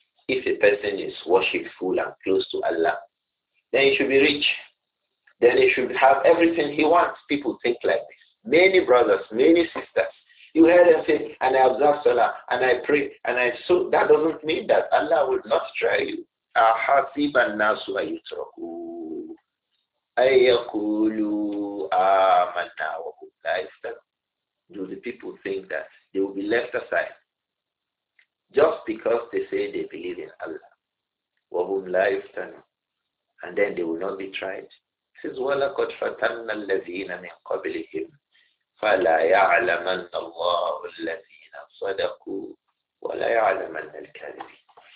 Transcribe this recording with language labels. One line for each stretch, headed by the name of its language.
English: If a person is worshipful and close to Allah, then he should be rich. Then he should have everything he wants. People think like this. Many brothers, many sisters, you hear them say, and I observe Salah, and I pray, and I so that doesn't mean that Allah will not try you.
Arabic: أحسب الناس أن يتركوا أن يقولوا آمنا وهم لا يفتنون.
English: Do the people think that they will be left aside just because they say they believe in Allah?
Arabic: وهم لا يفتنون.
English: And then they will not be tried. It says,
Arabic: وَلَقَدْ فَتَنَّ الَّذِينَ مِنْ قَبْلِهِمْ فَلَا يَعْلَمَنَّ اللَّهُ الَّذِينَ صَدَقُوا وَلَا يَعْلَمَنَّ الْكَاذِبِينَ.